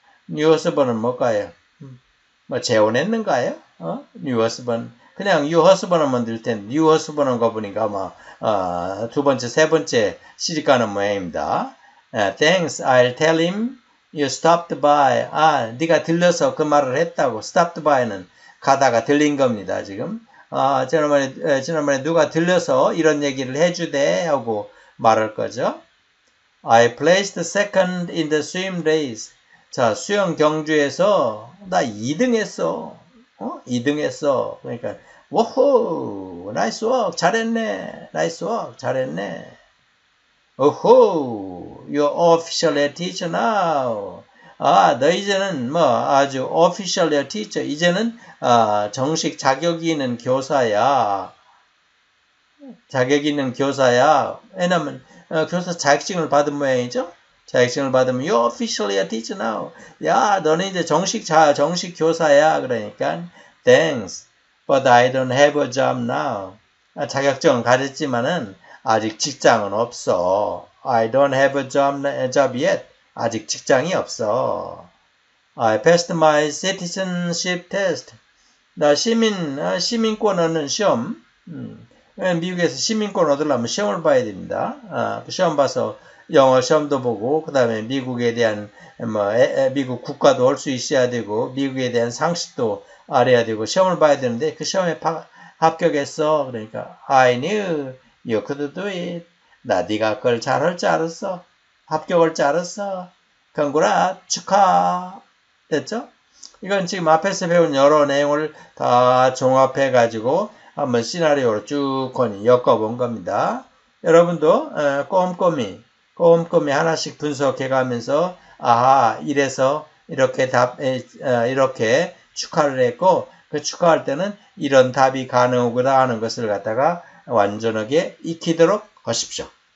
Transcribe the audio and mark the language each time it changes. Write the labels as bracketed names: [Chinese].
[Korean] New husband은 뭘까요? 뭐 재혼했는가요? 어? New husband. 그냥 new husband만 들 텐데, new husband인 거 보니까 아마 두 번째, 세 번째 시집가는 모양입니다. [English] Thanks, I'll tell him you stopped by. [Korean] 아, 네가 들려서 그 말을 했다고. Stopped by는 가다가 들린 겁니다, 지금. 아, 지난번에 누가 들려서 이런 얘기를 해주대 하고 말할 거죠. [English] I placed second in the swim race. [Korean] 자, 수영 경주에서 나 2등 했어. 어? 2등 했어. 그러니까, 워호! [English] 나이스 워크! [Korean] 잘했네! 나이스 워크! 잘했네! 오호! [English] You're officially a teacher now. [Korean] 아, 너 이제는 뭐 아주 [English] officially a teacher. [Korean] 이제는 정식 자격이 있는 교사야. 자격 있는 교사야. 왜냐면 교사 자격증을 받은 모양이죠. 자격증을 받으면 [English] you're officially a teacher now. [Korean] 야, 너는 이제 정식 교사야. 그러니까 [English] thanks, but I don't have a job now. [Korean] 자격증은 가졌지만은 아직 직장은 없어. [English] I don't have a job yet. [Korean] 아직 직장이 없어. [English] I passed my citizenship test. [Korean] 나 시민권 얻는 시험. 미국에서 시민권 얻으려면 시험을 봐야 됩니다. 그 시험 봐서 영어 시험도 보고, 그 다음에 미국에 대한, 미국 국가도 올수 있어야 되고, 미국에 대한 상식도 알아야 되고, 시험을 봐야 되는데, 그 시험에 합격했어. 그러니까, [English] I knew you could do it. [Korean] 나 네가 그걸 잘할 줄 알았어. 합격할 줄 알았어. 경구라 축하 됐죠? 이건 지금 앞에서 배운 여러 내용을 다 종합해 가지고 한번 시나리오로 쭉 엮어 본 겁니다. 여러분도 꼼꼼히 하나씩 분석해 가면서 아하 이래서 이렇게 답 이렇게 축하를 했고 그 축하할 때는 이런 답이 가능하구나 하는 것을 갖다가 완전하게 익히도록 하십시오.